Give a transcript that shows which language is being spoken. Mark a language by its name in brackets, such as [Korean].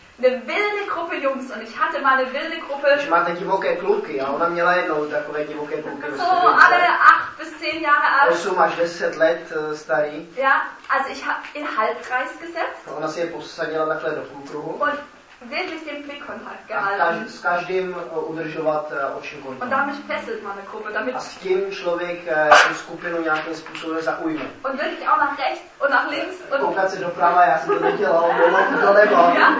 [German] Eine wilde Gruppe Jungs und ich hatte mal eine wilde Gruppe. Ich meine [Czech] divoké kluky, a ona měla jednou takové divoké kluky. [German] So, alle 8 bis 10 Jahre alt. [Czech] 8 až 10 let starý. [German] Ja, also ich habe in Halbkreis gesetzt. [Czech] A ona si je posadila takhle do půlkruhu. [German] Wirklich den Blickkontakt gehalten. [Czech] S každým udržovat oči v kontaktu. [German] Und damit fesselt man eine Gruppe, damit [Czech] a s tím člověk tu skupinu nějakým způsobem zaujme. [German] Und wirklich auch nach rechts und nach links. [Czech] Koukat se doprava, já jsem to nedělal, bylo to doleva.